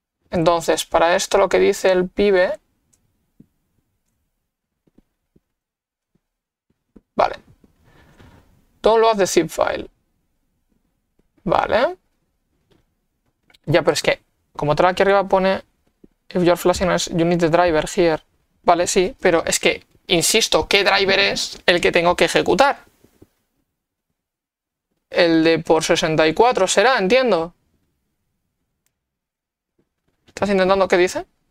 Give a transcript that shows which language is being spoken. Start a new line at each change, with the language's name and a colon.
Spanish: Entonces, para esto lo que dice el pibe... Vale.
English: Download the zip file.
Spanish: Vale. Ya, pero es que, como trae aquí arriba pone...
English: If you're flashing, you need the driver here.
Spanish: Vale, sí, pero es que, insisto, ¿qué driver es el que tengo que ejecutar? El de por 64 será, entiendo. ¿Estás intentando qué dice?